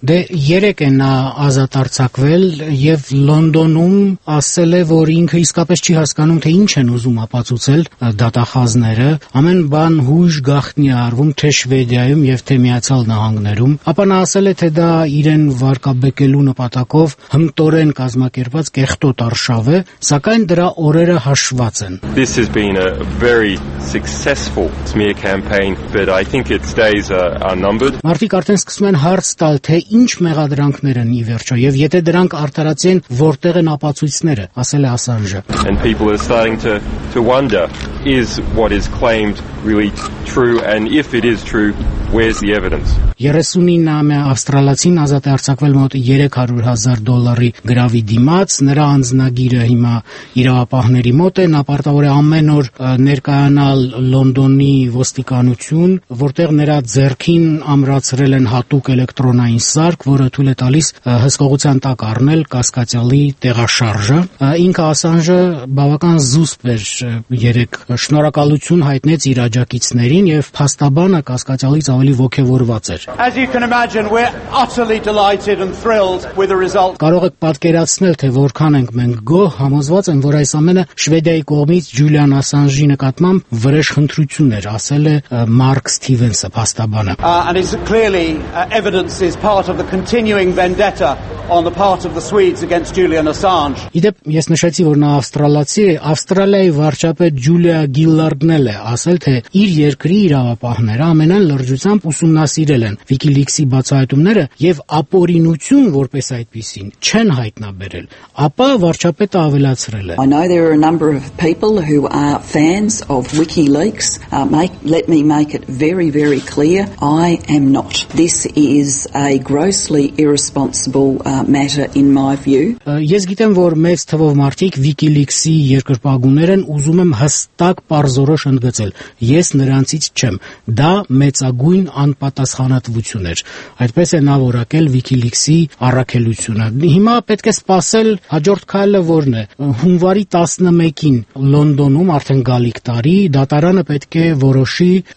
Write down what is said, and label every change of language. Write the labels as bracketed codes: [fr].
[hy] Դե երեկ է նա ազատ արձակվել և Լոնդոնում ասել է, որ ինքը իսկապես չի հասկանում, թե ինչ են ուզում ապացուցել դատախազները։ Ամեն բան հույժ գաղտնի արվում թե Շվեդիայում և թե Միացյալ Նահանգներում։ Ապա նա ասել է, թե դա իրեն վարկաբեկելու նպատակով հմտորեն կազմակերպված կեղտոտ արշավ է, սակայն դրա օրերը հաշված են։ [en] This has been a very successful smear campaign, but I think its days are numbered. [hy] Մարդիկ արդեն սկսում են հարց տալ, թե ինչ մեղադրանքներ են ի վերջո, և եթե դրանք արդարացեն, որտեղ են ապացույցները, ասել է Ասանժը։ [en] And people are starting to wonder, is what is claimed really true, and if it is true, where's the evidence? [hy] 39-ամյա ավստրալացին ազատ է արձակվել մոտ $300,000 գրավի դիմաց, նրա անձնագիրը հիմա իրավապահների մոտ է, նա պարտավոր է ամեն օր ներկայանալ Լոնդոնի ոստիկանություն, որտեղ նրա ձեռքին ամրացրել են հատուկ էլեկտրոնային սարք, որը թույլ է տալիս հսկողության տակ առնել կասկածյալի տեղաշարժը։ Ինքը Ասանժը բավական զուսպ էր, երեկ շնորհակալություն հայտնեց իր աջակիցներին, և փաստաբանը կասկածյալից ավելի ոգևորված էր։ [en] As you can imagine, we're utterly delighted and thrilled with the result. [hy] Կարող եք պատկերացնել, թե որքան ենք մենք գոհ, համոզված եմ, որ այս ամենը Շվեդիայի կողմից Ջուլիան Ասանժի նկատմամբ վրեժխնդրություն էր, ասել է Մարկ Սթիվենսը, փաստաբանը։ [en] And it's clearly evidence is part of the continuing vendetta on the part of the Swedes against Julian Assange. [hy] Իդեպ, ես նշեցի, որ նա ավստրալացի է, Ավստրալիայի վարչապետ Ջուլիա Գիլլարդն էլ է ասել, թե իր երկրի իրավապահները ամենայն լրջությամբ ուսումնասիրել են WikiLeaks-ի բացահայտումները, և ապօրինություն որպես այդպիսին չեն հայտնաբերել, ապա վարչապետը ավելացրել է. [en] I know there are a number of people who are fans of WikiLeaks. Let me make it very, very clear. I am not. This is a grossly irresponsible matter in my view. [hy] Ես գիտեմ, որ մեծ թվով մարդիկ WikiLeaks-ի երկրպագուններ են, ուզում եմ հստակ պարզորոշ ընդգծել. Ես նրանցից չեմ. Դա մեծագույն անպատասխանատվություն էր, այդպես է նա որակել WikiLeaks-ի առաքելությունը։ Հիմա պետք է սպասել հաջորդ քայլը, որն է հունվարի 11-ին Լոնդոնում, արդեն գալիք տարի, դատարանը պետք է որոշի